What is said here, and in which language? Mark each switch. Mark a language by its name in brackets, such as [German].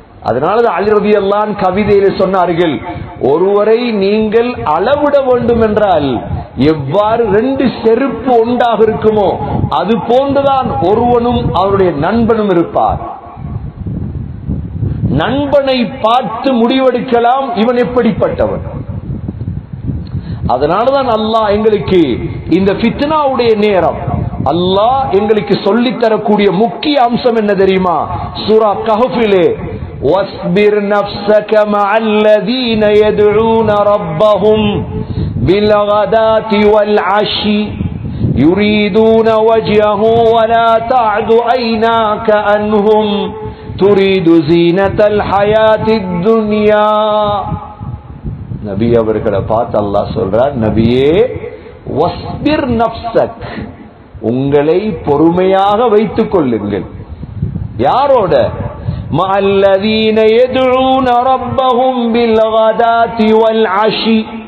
[Tamil] அதனாலதான் அலி ரலியல்லாஹு கவிதையில் சொன்னார்கள், ஒருவரை நீங்கள் அளவிட வேண்டும் என்றால் எவ்வாறு ரெண்டு செருப்பு ஒன்றாக இருக்குமோ அது போன்றுதான் ஒருவனும் அவருடைய நண்பனும் இருப்பார். நண்பனை பார்த்து முடிவெடுக்கலாம் இவன் எப்படிப்பட்டவன். அதனாலதான் அல்லாஹ் எங்களுக்கு இந்த ஃபித்னாவுடைய நேரம், அல்லாஹ் எங்களுக்கு சொல்லித்தரக்கூடிய முக்கிய அம்சம் என்ன தெரியுமா? சூரா கஹ்ஃபிலே, [Arabic] واصبر نفسك مع الذين يدعون ربهم بالغداة والعشي يريدون وجهه ولا تعد عيناك عنهم تريد زينة الحياة الدنيا. [Tamil] நபி அவர்களை பார்த்து அல்லாஹ் சொல்றார், நபியே [Arabic] واصبر نفسك, [Tamil] உங்களை பொறுமையாக வைத்துக் கொள்ளுங்கள். யாரோட? [Arabic] மல்லதீன எதுழூன ரப்பகும் பில் வதாதி வல் ஆஷி,